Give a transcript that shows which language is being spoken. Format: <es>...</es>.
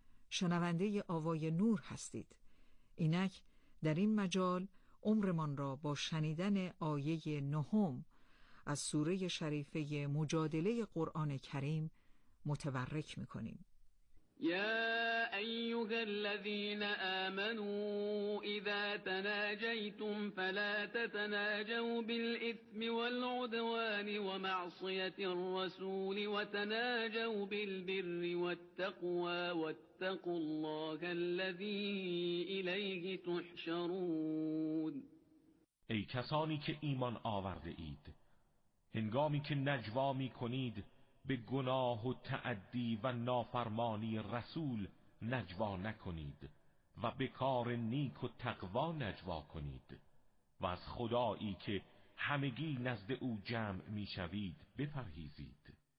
<fa>شنونده آوای نور هستید. اینک در این مجال عمرمان را با شنیدن آیه نهم از سوره شریفه مجادله قرآن کریم متبرک می‌کنیم.</fa> <ar>یا ایها الذین آمنوا اذا تناجیتم فلا تتناجوا بالإثم والعدوان ومعصية الرسول وتناجوا بالبر والتقوى واتقوا الله الذي إليه تحشرون.</ar> <fa>ای کسانی که ایمان آورده اید، هنگامی که نجوا می کنید به گناه و تعدی و نافرمانی رسول نجوا نکنید و به کار نیک و تقوا نجوا کنید و از خدایی که همگی نزد او جمع می شوید بپرهیزید.</fa>